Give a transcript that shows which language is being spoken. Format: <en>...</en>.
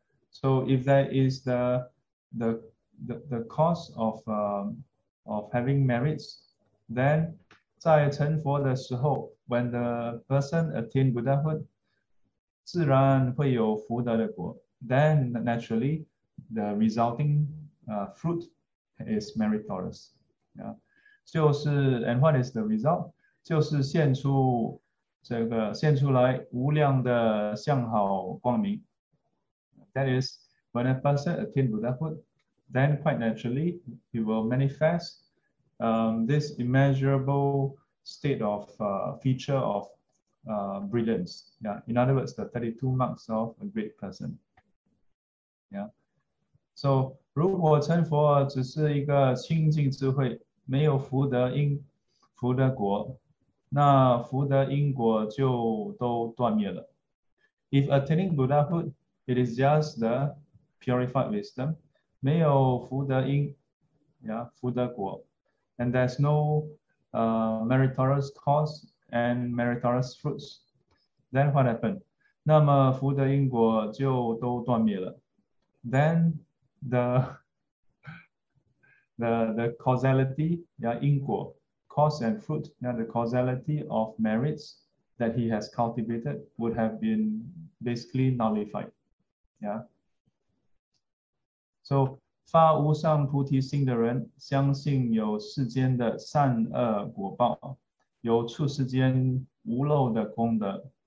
<en>So if that is the cause of having merits, then</en> <zh>在成佛的时候，</zh> <en>when the person attain Buddhahood，</en> <zh>自然会有福德的果。</zh> <en>Then naturally the resulting fruit is meritorious.</en> <zh>就是</zh> <en>and what is the result？</en> <zh>就是现出来无量的相好光明。</zh> <en>That is when a person attain Buddhahood, then quite naturally he will manifest this immeasurable state of feature of brilliance. In other words, the 32 marks of a great person.</en> <zh>So 如果成佛只是一个清净智慧，没有福德因福德果，那福德因果就都断灭了。</zh> <en>If attaining Buddhahood, it is just the purified wisdom,</en> <zh>没有福德因，福德果，</zh> <en>and there's no meritorious cause and meritorious fruits, then what happened?</en> <zh>那么福德因果就都断灭了。</zh> <en>Then the causality,因果。 Cause and fruit, the causality of merits that he has cultivated would have been basically nullified.</en> <zh>So, 发无上菩提心的人，相信有世间的善恶果报，有处世间无漏的功德。</zh>